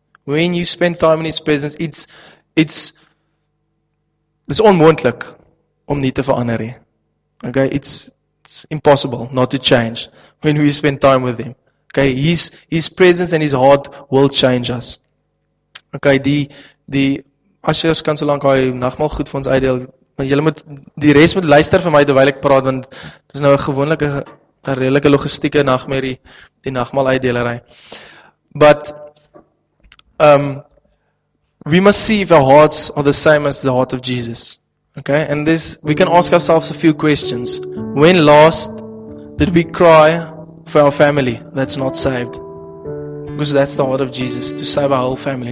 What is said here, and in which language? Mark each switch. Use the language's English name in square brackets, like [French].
[English] When you spend time in His presence, it's [Afrikaans] onmoontlik om nie te verander nie. [English] Okay, it's impossible not to change when we spend time with Him. Okay, His presence and His heart will change us. [Afrikaans] Okay, die ashers kan so lank hy nagmaal goed vir ons uitdeel, maar julle moet die res moet luister vir my terwyl ek praat, want dit is nou 'n gewone 'n redelike logistieke nagmerrie die nagmaal uitdelery. [English] But we must see if our hearts are the same as the heart of Jesus. Okay? And this, we can ask ourselves a few questions. When last did we cry for our family that's not saved? Because that's the heart of Jesus, to save our whole family.